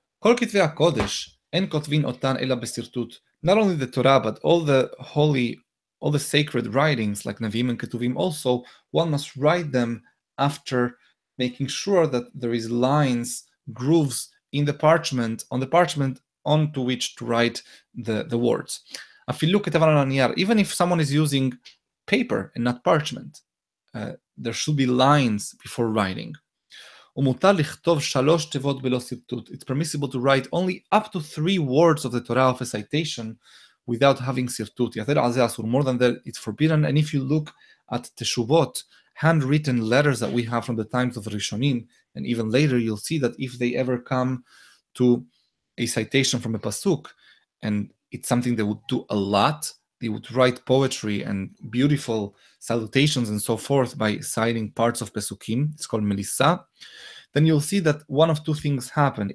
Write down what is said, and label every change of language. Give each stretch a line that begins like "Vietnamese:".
Hebrew: כל כתבי הקודש אין כותבין אותן אלא בסרטוט.
English: Not only the Torah, but all the holy, all the sacred writings, like נביאים and כתובים also, one must write them after making sure that there is lines, grooves in the parchment, on the parchment onto which to write the words.
Hebrew: אפילו כתב על הנייר,
English: even if someone is using paper and not parchment, there should be lines before writing.
Hebrew: ומותר לכתוב 3 תיבות בלא סרטוט.
English: It's permissible to write only up to 3 words of the Torah of a citation without having סרטוט.
Hebrew: יתר על זה אסור.
English: More than that, it's forbidden. And if you look at teshuvot, handwritten letters that we have from the times of Rishonim, and even later, you'll see that if they ever come to a citation from a pasuk, and it's something they would do a lot, they would write poetry and beautiful salutations and so forth by citing parts of Pesukim, it's called Melissa, then you'll see that one of two things happen.